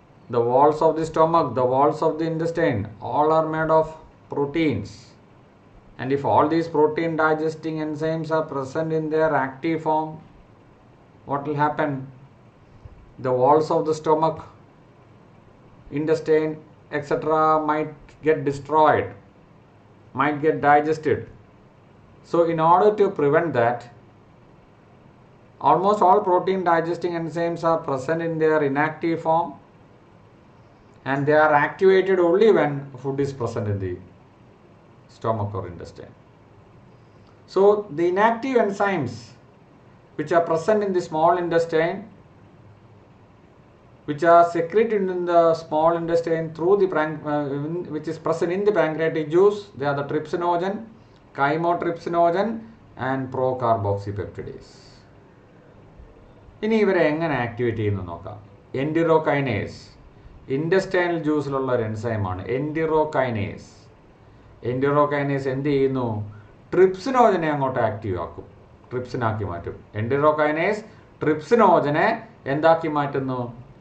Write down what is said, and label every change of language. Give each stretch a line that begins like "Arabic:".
English: The walls of the stomach, the walls of the intestine, all are made of proteins. And if all these protein digesting enzymes are present in their active form, what will happen? The walls of the stomach, intestine, etc. might get destroyed, might get digested. So in order to prevent that, almost all protein digesting enzymes are present in their inactive form and they are activated only when food is present in the stomach or intestine. So the inactive enzymes which are present in the small intestine, which are secreted in the small intestine through the which is present in the pancreatic juice, they are the trypsinogen, chymotrypsinogen and procarboxypeptidase.
Malayalam: ഇനി ഇവരെ എങ്ങനെ activate ചെയ്യുന്നു നോക്കാം. എൻഡിറോകൈനേസ് intestinal ജ്യൂസിലുള്ള ഒരു എൻസൈമാണ് എൻഡിറോകൈനേസ്. എൻഡിറോകൈനേസ് എന്ത് ചെയ്യുന്നു? ട്രിപ്സിനോജനെ അങ്ങോട്ട് active ആക്കും, ട്രിപ്സിനാക്കി മാറ്റും. എൻഡിറോകൈനേസ് ട്രിപ്സിനോജനെ എന്താക്കി മാറ്റുന്നു?